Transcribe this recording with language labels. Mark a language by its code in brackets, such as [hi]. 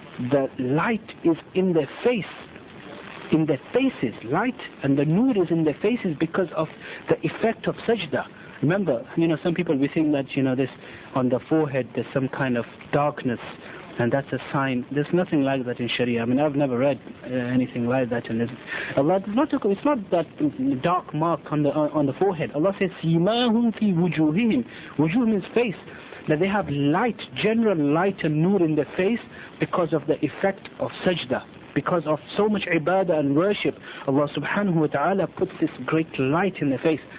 [en] The light is in their face. In their faces, light and the nur is in their faces because of the effect of sajda. Remember, some people, we think that, this on the forehead, there's some kind of darkness and that's a sign. There's nothing like that in Sharia. I mean, I've never read anything like that. And Allah does not talk, it's not that dark mark on the forehead. Allah says, [ar] سِيمَاهُمْ فِي وُجُوهِهِمْ. [en] Wujuh means face. That they have light, general light and nur in their face because of the effect of sajda. Because of so much ibadah and worship, Allah subhanahu wa ta'ala puts this great light in the face.